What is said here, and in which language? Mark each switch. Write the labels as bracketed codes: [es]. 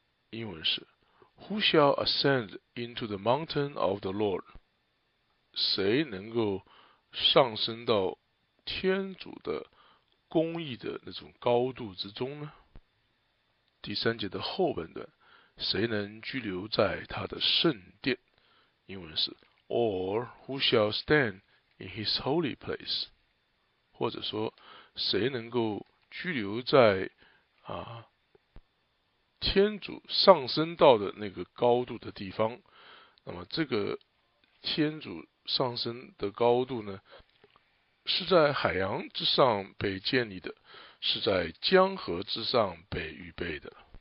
[zh] 英文是 [en] Who shall ascend into the mountain of the Lord? [zh] 谁能够上升到天主的公义的那种高度之中呢？第三节的后半段，谁能居留在他的圣殿？英文是 [en] Or who shall stand in his holy place? [zh] 或者说谁能够居留在天主上升到的那个高度的地方？那么这个天主上升的高度呢，是在海洋之上被建立的，是在江河之上被预备的。